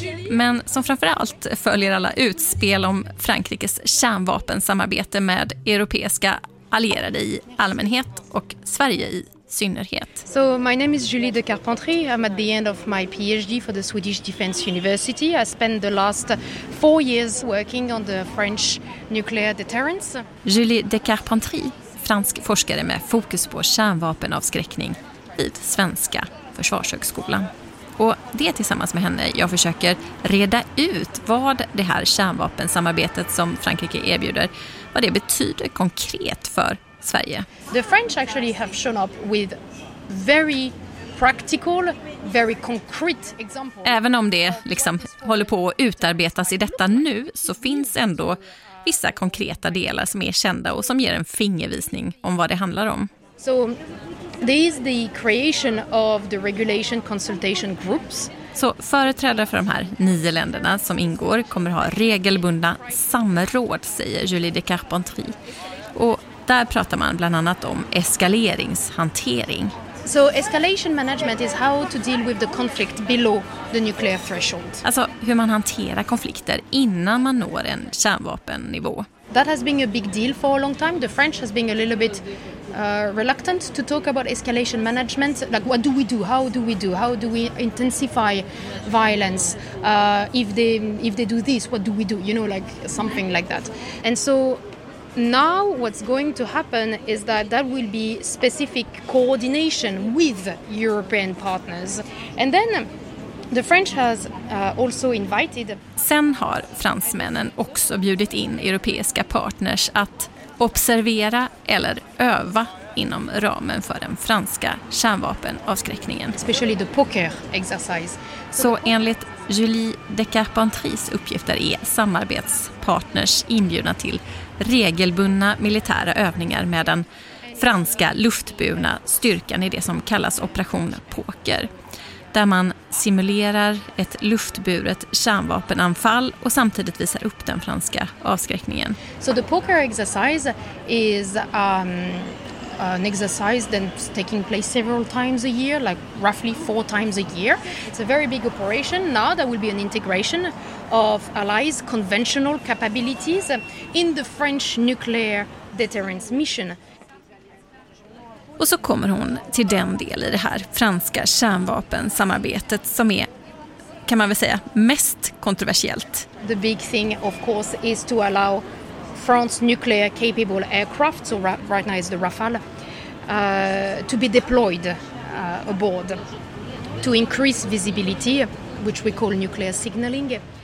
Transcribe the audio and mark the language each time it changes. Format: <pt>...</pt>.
<sv>Men som framförallt följer alla utspel om Frankrikes kärnvapensamarbete med europeiska allierade i allmänhet och Sverige i synnerhet.</sv> <en>So my name is Julie de Carpentrie. I'm at the end of my PhD for the Swedish Defence University. I spent the last 4 years working on the French nuclear deterrence.</en> <sv>Julie de Carpentrie, fransk forskare med fokus på kärnvapenavskräckning vid Svenska Försvarshögskolan. Och det tillsammans med henne jag försöker reda ut vad det här kärnvapensamarbetet som Frankrike erbjuder, vad det betyder konkret för Sverige.</sv> <en>The French actually have shown up with very practical, very concrete examples.</en> <sv>Även om det liksom håller på att utarbetas i detta nu, så finns ändå vissa konkreta delar som är kända och som ger en fingervisning om vad det handlar om.</sv> <en>So this is the creation of the regulation consultation groups.</en> <sv>Så företrädare för de här 9 länderna som ingår kommer ha regelbundna samråd, säger Julie de Carpentrie. Och där pratar man bland annat om eskaleringshantering.</sv> <en>So escalation management is how to deal with the conflict below the nuclear threshold.</en> <sv>Alltså hur man hanterar konflikter innan man når en kärnvapennivå.</sv> <en>That has been a big deal for a long time. The French has been a little bit reluctant to talk about escalation management. Like, what do we do? How do we do? How do we intensify violence? If they do this, what do we do? You know, like something like that. And so now what's going to happen is that there will be specific coordination with European partners. And then the French has also invited.</en> <sv>Sen har fransmännen också bjudit in europeiska partners att observera eller öva inom ramen för den franska kärnvapenavskräckningen.</sv> <en>Especially the poker exercise.</en> <sv>Så enligt Julie de Carpentries uppgifter är samarbetspartners inbjudna till regelbundna militära övningar med den franska luftburna styrkan i det som kallas operation poker, där man simulerar ett luftburet kärnvapenanfall och samtidigt visar upp den franska avskräckningen.</sv> <en>So the poker exercise is an exercise that's taking place several times a year, like roughly 4 times a year. It's a very big operation. Now there will be an integration of allies' conventional capabilities in the French nuclear deterrence mission.</en> <sv>Och så kommer hon till den del i det här franska kärnvapensamarbetet som är, kan man väl säga, mest kontroversiellt.</sv> <en>The big thing of course is to allow France nuclear capable aircraft, so right now is the Rafale, to be deployed aboard to increase visibility, which we call nuclear signaling.</en>